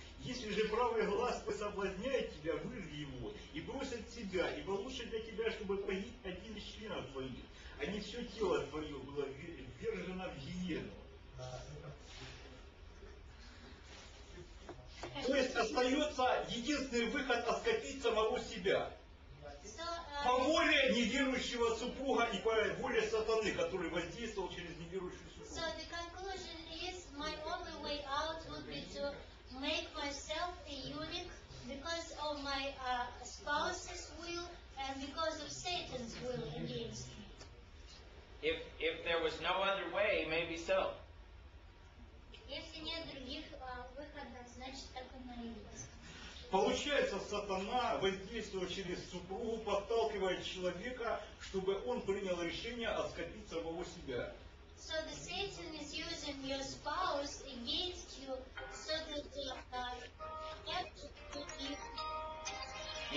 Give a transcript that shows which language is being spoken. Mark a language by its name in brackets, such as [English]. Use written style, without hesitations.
[Russian] Если же правый глаз соблазняет тебя, вырви его и брось от себя, ибо лучше для тебя, чтобы погиб один из членов твоих, а не все тело твое было ввержено в гиену. То есть остается единственный выход оскопить самого себя. По воле неверующего супруга и по воле сатаны, который воздействовал через неверующую супругу. [English] So the conclusion is, my only way out would be to make myself a eunuch because of my spouse's will and because of Satan's will against me. If there was no other way, maybe so. [Russian] Если нет других выходов, значит так оно и есть. Получается, сатана, воздействуя через супругу, подталкивает человека, чтобы он принял решение оскопить самого себя. [English] So the Satan is using your spouse against you, so that you have to be...